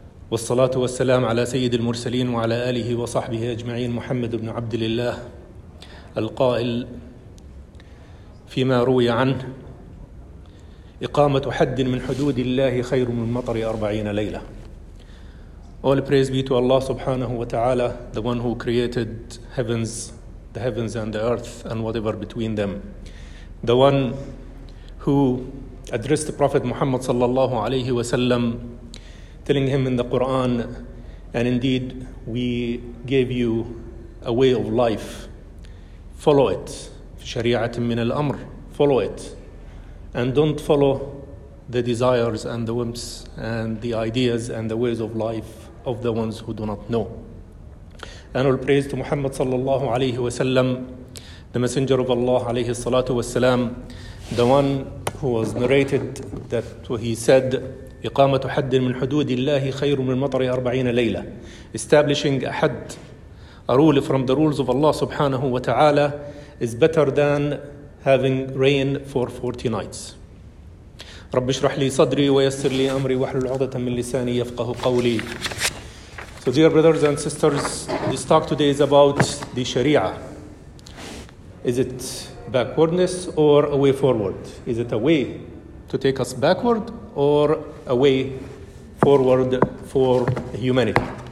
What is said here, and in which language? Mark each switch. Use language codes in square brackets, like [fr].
[ar] والصلاة والسلام على سيد المرسلين وعلى آله وصحبه أجمعين، محمد بن عبد الله، القائل فيما روي عنه: إقامة حد من حدود الله خير من مطر 40 ليلة. [en] All praise be to Allah subhanahu wa ta'ala, the one who created heavens, the heavens and the earth and whatever between them, the one who addressed the Prophet Muhammad sallallahu alayhi wa sallam, telling him in the Quran, "And indeed we gave you a way of life, follow it, [ar] shari'atin min al-amr, [en] follow it, and don't follow the desires and the whims and the ideas and the ways of life of the ones who do not know." And all praise to Muhammad sallallahu alayhi wa sallam, the messenger of Allah alayhi salatu wa salam, the one who was narrated that what he said, [ar] إقامة حد من حدود الله خير من مطر 40 ليلة. [en] Establishing a had, a rule from the rules of Allah subhanahu wa ta'ala, is better than having rain for 40 nights. [ar] رب اشرح لي صدري ويسر لي أمري واحلل عقدة من لساني يفقه قولي. [en] So dear brothers and sisters, this talk today is about the Sharia. Is it backwardness or a way forward? Is it a way to take us backward or a way forward for humanity?